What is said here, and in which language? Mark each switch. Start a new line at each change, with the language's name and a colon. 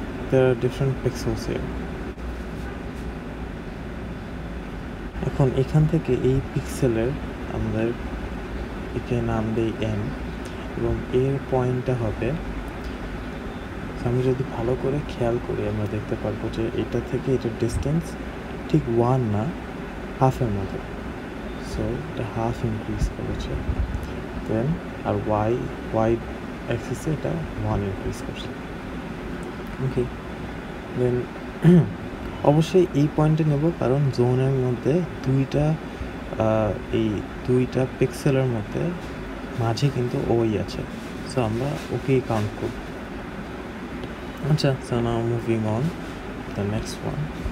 English: There are different pixels here. I can take a pixel and I can name n from a point.
Bangla: আমি যদি ভালো করে খেয়াল করি আমরা দেখতে পারবো যে এটা থেকে এটার ডিস্টেন্স ঠিক ওয়ান না, হাফের মতো. সো এটা হাফ ইনক্রিজ করেছে, দেন আর ওয়াই ওয়াই অ্যাক্সিসে এটা ওয়ান ইনক্রিজ করছে. ওকে, দেন অবশ্যই এই পয়েন্টে নেব কারণ জোনের মধ্যে দুইটা এই দুইটা পিক্সেলের মধ্যে মাঝে কিন্তু ওই আছে. সো আমরা ওকেই কাউন্ট করব.
English: Okay, so now moving on to the next one.